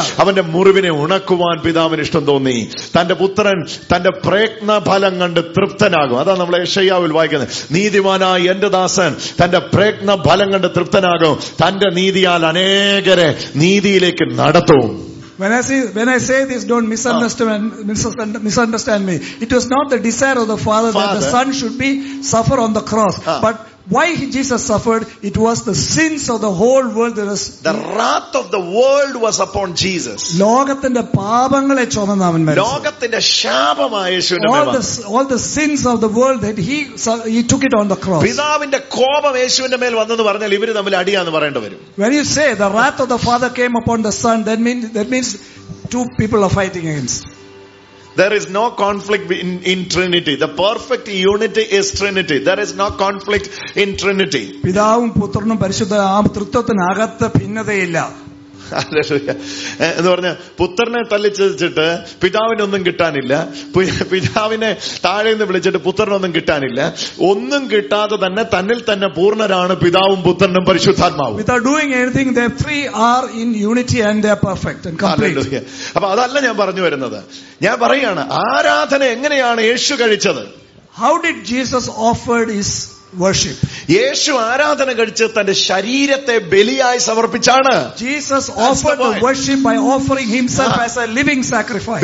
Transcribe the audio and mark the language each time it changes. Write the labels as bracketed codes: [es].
[ml] അവന്റെ മുറിവിനെ ഉണക്കുവാൻ പിതാവിന് ഇഷ്ടം തോന്നി. തന്റെ പുത്രൻ തന്റെ പ്രയത്ന ഫലം കണ്ട് തൃപ്തനാകും. അതാണ് നമ്മൾ യെശയ്യാവിൽ വായിക്കുന്നത്, നീതിമാനായ എന്റെ ദാസൻ തന്റെ പ്രയത്ന ഫലം കണ്ട് തൃപ്തനാകും, തന്റെ നീതിയാൽ അനേകരെ നീതിയിലേക്ക് നടത്തും. [en] When I say this, don't misunderstand me. It was not the desire of the Father that the Son should be suffer on the cross. But why Jesus suffered, it was the sins of the whole world. The wrath of the world was upon Jesus. [ml] ലോകത്തിന്റെ പാപങ്ങളെ ചുമന്നു അവൻ മരിച്ചു. ലോകത്തിന്റെ ശാപമായ യേശുവിന്റെ [en] all the sins of the world that he took it on the cross. [ml] പിതാവിന്റെ കോപം യേശുവിന്റെ മേൽ വന്നെന്ന് പറഞ്ഞാൽ ഇവര് തമ്മിൽ അടിയാന്ന് പറയേണ്ടി വരും. [en] When you say the wrath of the Father came upon the Son, that means two people are fighting against. There is no conflict in Trinity. The perfect unity is Trinity. There is no conflict in Trinity. [ml] പിതാവും പുത്രനും പരിശുദ്ധാത്മാവും ത്രിത്വത്തിനകത്ത് ഭിന്നതയില്ല. എന്ന് പറഞ്ഞ പുത്രനെ തല്ലിച്ചിട്ട് പിതാവിനൊന്നും കിട്ടാനില്ല, പിതാവിനെ താഴെ നിന്ന് വിളിച്ചിട്ട് പുത്രനൊന്നും കിട്ടാനില്ല. ഒന്നും കിട്ടാതെ തന്നെ തന്നിൽ തന്നെ പൂർണ്ണരാണ് പിതാവും പുത്രനും പരിശുദ്ധാത്മാവും. [en] Without doing anything, they three are in unity and they are perfect and complete. [ml] അപ്പൊ അതല്ല ഞാൻ പറഞ്ഞു വരുന്നത്. ഞാൻ പറയുകയാണ്, ആരാധന എങ്ങനെയാണ് യേശു കഴിച്ചത്? [en] How did Jesus offered his worship? [ml] യേശു ആരാധന കഴിച്ച് തന്റെ ശരീരത്തെ ബലിയായി സമർപ്പിച്ചാണ്. [en] Jesus offered the worship by offering himself as a living sacrifice.